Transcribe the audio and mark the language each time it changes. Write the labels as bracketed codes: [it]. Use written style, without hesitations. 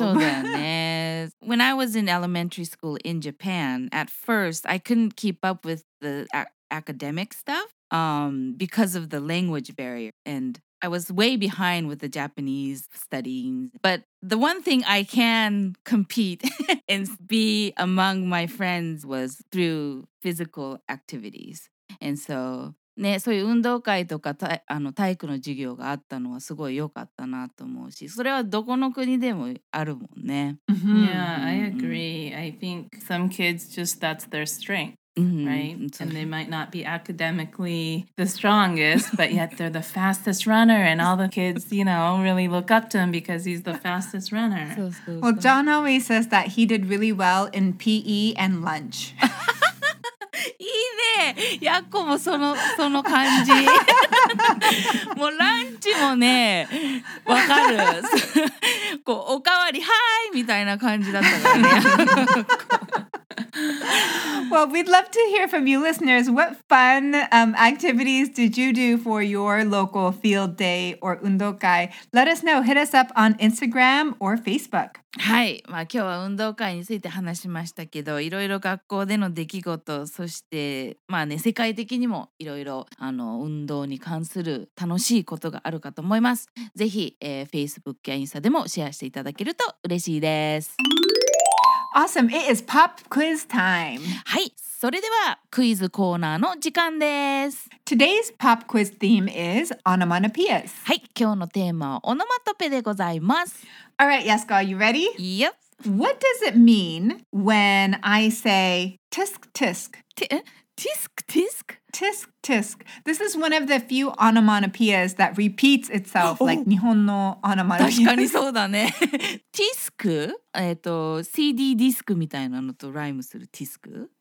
[en] When I was in elementary school in Japan, at first, I couldn't keep up with the academic stuff because of the language barrier. And I was way behind with the Japanese studying. But the one thing I can compete and be among my friends was through physical activities. And so, [ja] ね、そういう運動会とか、あの、体育の授業があったのはすごい良かったなと思うし、それはどこの国でもあるもんね。 [en] Yeah, I agree. I think some kids just that's their strength. Mm-hmm. Right? And they might not be academically the strongest, but yet they're the fastest runner. And all the kids, you know, really look up to him because he's the fastest runner. Well, John always says that he did really well in PE and lunch. [ja] いいね。ヤッコもその感じ。もうランチもね、わかる。こう、おかわり、はーいみたいな感じだったからね。 [en] Well, we'd love to hear from you listeners. What fun activities did you do for your local field day or 運動会? Let us know. Hit us up on Instagram or Facebook. [ja] はい。まあ今日は運動会について話しましたけど、いろいろ学校での出来事、そしてまあね、世界的にもいろいろあの運動に関する楽しいことがあるかと思います。ぜひ、Facebook やインスタでもシェアしていただけると嬉しいです。 [en] Awesome. It is pop quiz time. [ja] はい。それではクイズコーナーの時間です。 [en] Today's pop quiz theme is onomatopoeias. [ja] はい。今日のテーマはオノマトペでございます。 [en] All right, Yasuko, are you ready? Yep. What does it mean when I say tisk tisk? Tisk tisk? Tisk tisk. This is one of the few onomatopoeias that repeats itself, like [ja] 日本の [en] onomatopoeias. [ja] 確かにそうだね。Tisk? CD ディスクみたいなのとライムするティスク、